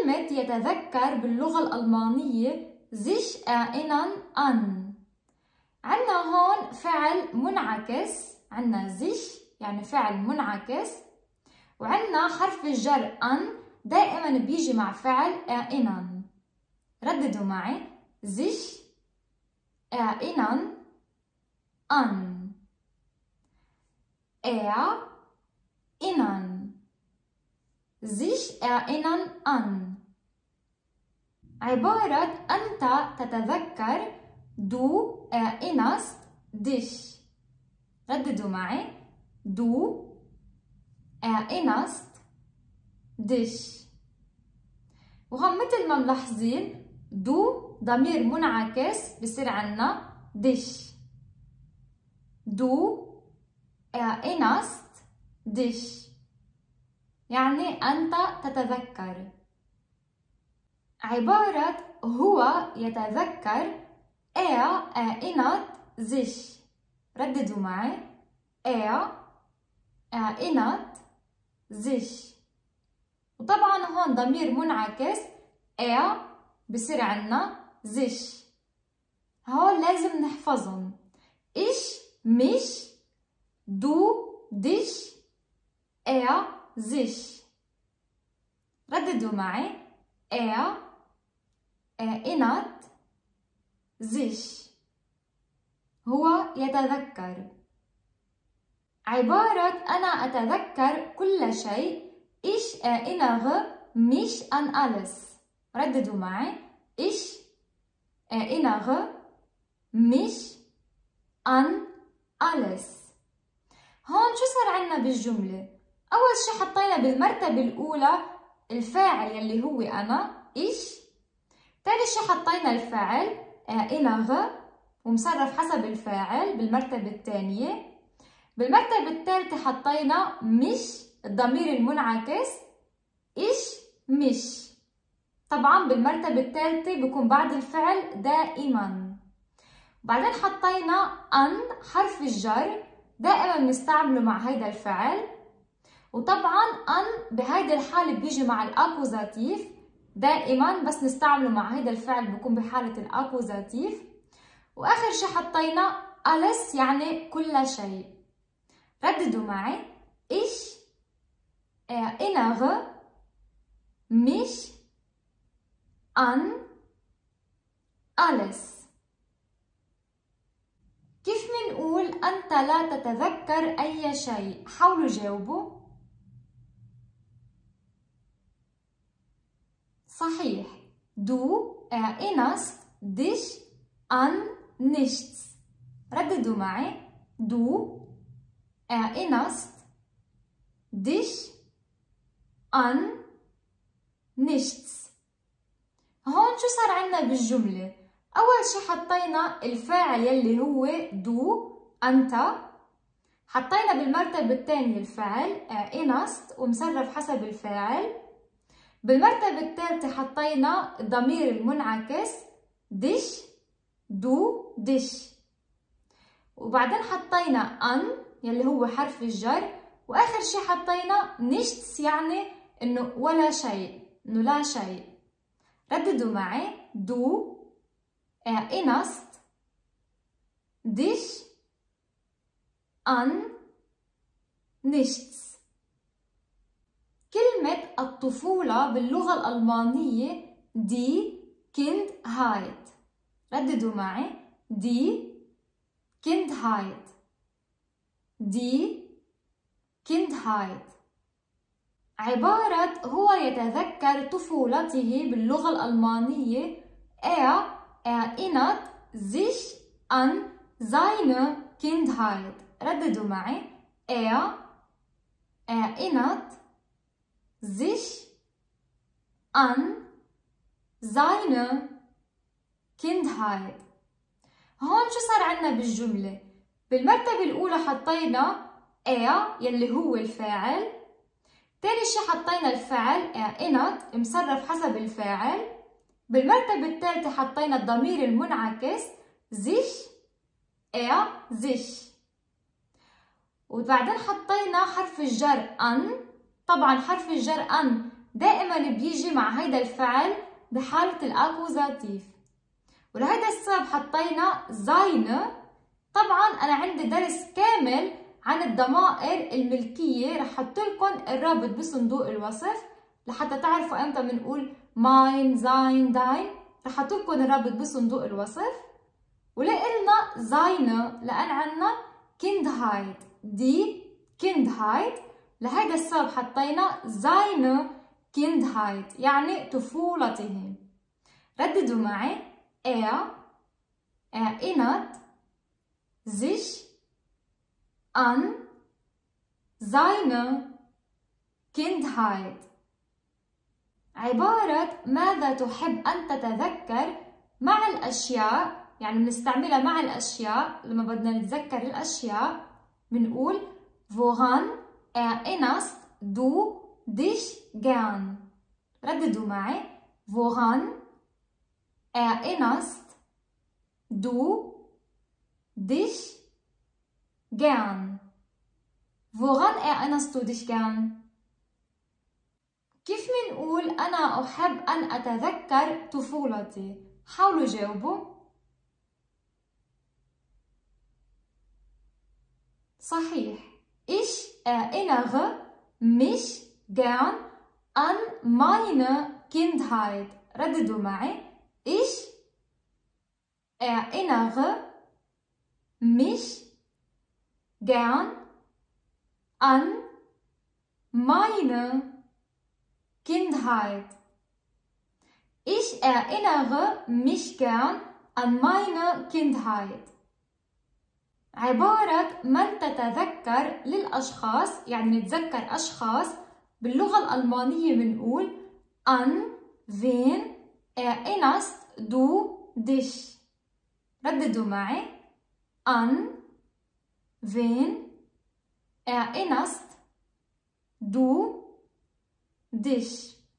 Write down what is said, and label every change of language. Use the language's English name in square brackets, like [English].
[Arabic] يتذكر باللغة الألمانية sich erinnern an. عنا هون فعل منعكس، عنا sich يعني فعل منعكس، وعنا حرف الجر an دائما بيجي مع فعل erinnern. رددوا معي [German] sich erinnern an. erinnern sich erinnern an [Arabic] عبارة أنت تتذكر [German] du erinnerst dich. [Arabic] رددوا معي [German] du erinnerst dich. [Arabic] وهم مثل ما ملاحظين du ضمير منعكس بصير عنا dich. [German] du erinnerst dich [Arabic] يعني أنت تتذكر. عبارة هو يتذكر [German] erinnert sich. [Arabic] رددوا معي [German] erinnert sich. [Arabic] وطبعا هون ضمير منعكس بصير عنا sich. هون لازم نحفظهم [German] ich mich du dich sich. [Arabic] رددوا معي [German] erinnert sich [Arabic] هو يتذكر. عبارة أنا أتذكر كل شيء [German] ich erinnere mich an alles. [Arabic] رددوا معي [German] ich erinnere mich an alles. [Arabic] هون شو صار عنا بالجملة؟ أول شي حطينا بالمرتبة الأولى الفاعل يلي هو أنا ich. تاني شي حطينا الفاعل erinnere ومصرف حسب الفاعل بالمرتبة الثانية. بالمرتبة الثالثة حطينا مش الضمير المنعكس ich mich. طبعا بالمرتبة الثالثة بيكون بعد الفعل دائما. بعدين حطينا an حرف الجر دائما بنستعمله مع هيدا الفعل. وطبعا an بهيدي الحالة بيجي مع الأكوزاتيف دائما، بس نستعمله مع هيدا الفعل بكون بحالة الأكوزاتيف. وآخر شي حطينا alles يعني كل شيء. رددوا معي [German] ich erinnere mich an alles. [Arabic] كيف منقول أنت لا تتذكر أي شيء؟ حاولوا جاوبوا. [German] صحيح du erinnerst dich an nichts. [Arabic] رددوا معي [German] du erinnerst dich an nichts. [Arabic] هون شو صار عنا بالجملة؟ أول شي حطينا الفاعل يلي هو du أنت، حطينا بالمرتبة الثانية الفعل erinnerst ومصرف حسب الفاعل. بالمرتبة الثالثة حطينا الضمير المنعكس dich du dich. وبعدين حطينا an يلي هو حرف الجر. وآخر شي حطينا nichts يعني إنه ولا شيء، إنه لا شيء. رددوا معي du erinnerst dich an nichts. كلمة الطفولة باللغة الألمانية [German] دي كيند هايت. [Arabic] رددوا معي [German] دي كيند هايت. دي كيند هايت [Arabic] عبارة هو يتذكر طفولته باللغة الألمانية [German] erinnert sich an seine Kindheit. [Arabic] رددوا معي [German] erinnert sich an Seine Kindheit. [Arabic] هون شو صار عنا بالجملة؟ بالمرتبة الأولى حطينا er يلي هو الفاعل، تاني شي حطينا الفعل erinnert مصرف حسب الفاعل، بالمرتبة الثالثة حطينا الضمير المنعكس sich sich، وبعدين حطينا حرف الجر an. طبعا حرف الجر an دائما بيجي مع هيدا الفعل بحالة الأكوزاتيف، ولهذا السبب حطينا seine. طبعا أنا عندي درس كامل عن الضمائر الملكية، رح حط لكم الرابط بصندوق الوصف لحتى تعرفوا امتى بنقول mein, sein, dein، رح حط لكم الرابط بصندوق الوصف. ولقلنا seine لأن عنا Kindheit، دي Kindheit، لهذا السبب حطينا seine Kindheit يعني طفولته. رددوا معي [German] erinnert sich an seine Kindheit. [Arabic] عبارة ماذا تحب أن تتذكر مع الأشياء، يعني بنستعملها مع الأشياء لما بدنا نتذكر الأشياء، بنقول [German] woran erinnerst du dich gern. [Arabic] رددوا معي [German] woran erinnerst du dich gern. woran erinnerst du dich gern. [Arabic] كيف منقول انا احب ان اتذكر طفولتي؟ حاولوا جاوبوا. [German] صحيح، ich erinnere mich gern an meine Kindheit. [Arabic] رددوا معي [German] ich erinnere mich gern an meine Kindheit. ich erinnere mich gern an meine Kindheit. [Arabic] عبارة من تتذكر للأشخاص، يعني نتذكر أشخاص، باللغة الألمانية بنقول [German] an wen erinnerst du dich. [Arabic] رددوا معي [German] an wen erinnerst du dich.